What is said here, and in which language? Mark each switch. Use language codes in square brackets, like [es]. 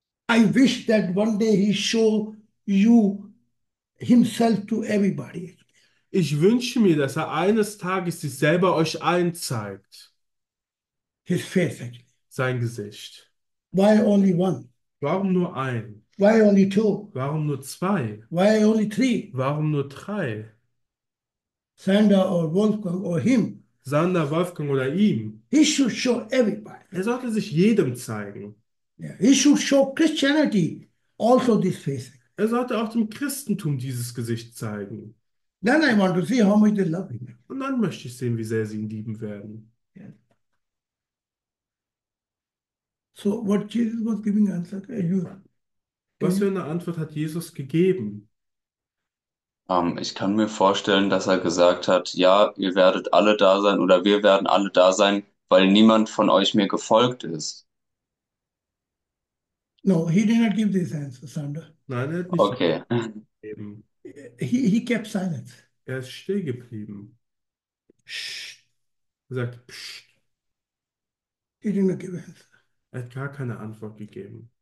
[en] I wish that one day he show you himself to everybody. [de] Ich wünsche mir, dass er eines Tages sich selber euch allen zeigt. [en] His face actually. [de] Sein Gesicht. [en] Why only one? [de] Warum nur ein? [en] Why only two? [de] Warum nur zwei? [en] Why only three? [de] Warum nur drei? [en] Sander or Wolfgang or him. [de] Sander, Wolfgang oder ihm? [en] He should show everybody. [de] Er sollte sich jedem zeigen. [en] Yeah. He should show Christianity also this face. [de] Er sollte auch dem Christentum dieses Gesicht zeigen. [en] Then I want to see how much they love him. [de] Und dann möchte ich sehen, wie sehr sie ihn lieben werden. [en] So what Jesus was giving answer, you [de] Was für [en] tell. [de] eine Antwort hat Jesus gegeben? Ich kann mir vorstellen, dass er gesagt hat, ja, ihr werdet alle da sein oder wir werden alle da sein, weil niemand von euch mir gefolgt ist. [en] No, he did not give this answer, Sander. [de] Nein, er hat nicht [en] Okay. [de] eben. [en] He kept silence. [de] Er ist still geblieben. Er sagt, pst. [en] He did not give answer. [de] Er hat gar keine Antwort gegeben.